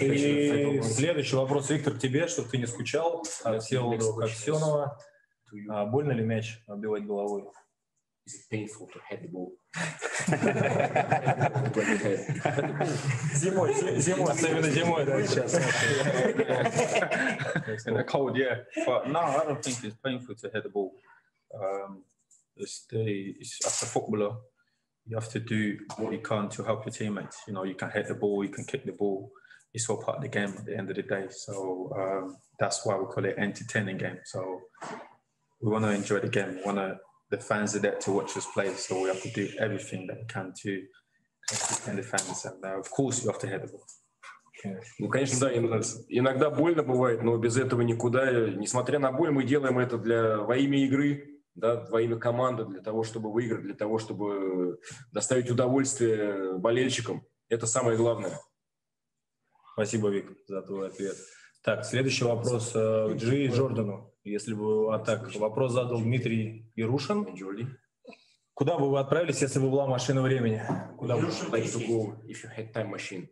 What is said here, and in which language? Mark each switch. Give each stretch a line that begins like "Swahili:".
Russian: И следующий вопрос, Виктор, к тебе, чтобы ты не скучал. Отсел до Коксенова. А больно ли мяч отбивать головой?
English: Is it painful to head the ball?
Russian: Зимой, особенно зимой, да, сейчас.
English: In a cold, yeah. But no, I don't think it's painful to head the ball. It's as a footballer, you have to do what you can to help your teammates. You know, you can head the ball, you can kick the ball. It's all part of the game at the end of the day. So that's why we call it entertaining game. So we want to enjoy the game. We want to. The fans are there to watch us play, so we have to do everything that we can to entertain the fans. And of course, you have to head the ball.
Russian: Ну, конечно, да, иногда больно бывает, но без этого никуда. Несмотря на боль, мы делаем это для во имя игры, да, во имя команды, для того, чтобы выиграть, для того, чтобы доставить удовольствие болельщикам. Это самое главное. Спасибо, Вик, за твой ответ. Так, следующий вопрос к Джи и Джордану. Если бы, а так, вопрос задал Дмитрий Ярушин. Куда бы вы отправились, если бы была машина времени? Куда бы вы
English: like to go, if you had time machine.